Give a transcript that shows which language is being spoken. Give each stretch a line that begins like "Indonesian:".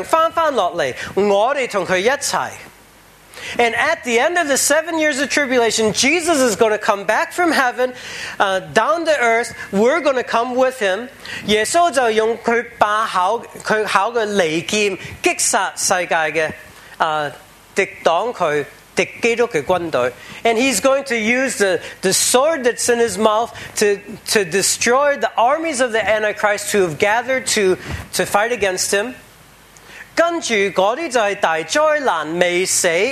Chinese: 七年的大灾难完了之后，耶稣由天上翻翻落来，我们和他一起。
English: And at the end of the 7 years of tribulation, Jesus is going to come back from heaven, down to earth. We're going to come with him.
Chinese: 耶稣就用他把口的利剑击杀世界的敌挡他敌基督的军队。
English: And he's going to use the sword that's in his mouth to destroy the armies of the Antichrist who have gathered to fight against him.
Chinese: 跟着那些就是大灾难未死。